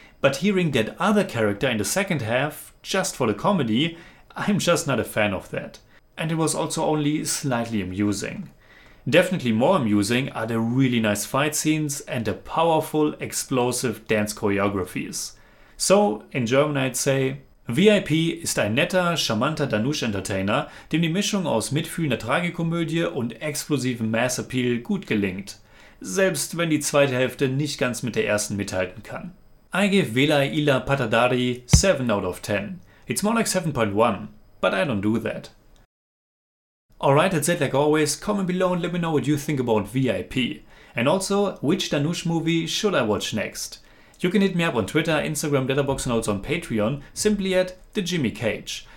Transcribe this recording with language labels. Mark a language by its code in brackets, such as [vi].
[en] But hearing that other character in the second half, just for the comedy, I'm just not a fan of that. And it was also only slightly amusing. Definitely more amusing are the really nice fight scenes and the powerful, explosive dance choreographies. So, in German I'd say, [de] VIP ist ein netter, charmanter Dhanush-Entertainer, dem die Mischung aus mitfühlender Tragikomödie und explosivem Mass-Appeal gut gelingt. Selbst wenn die zweite Hälfte nicht ganz mit der ersten mithalten kann. [en] I give Velaiilla Pattadhari 7 out of 10. It's more like 7.1, but I don't do that. Alright, that's it like always. Comment below and let me know what you think about VIP. And also, which Dhanush movie should I watch next? You can hit me up on Twitter, Instagram, Letterboxd and also on Patreon, simply at The Jimmy Cage.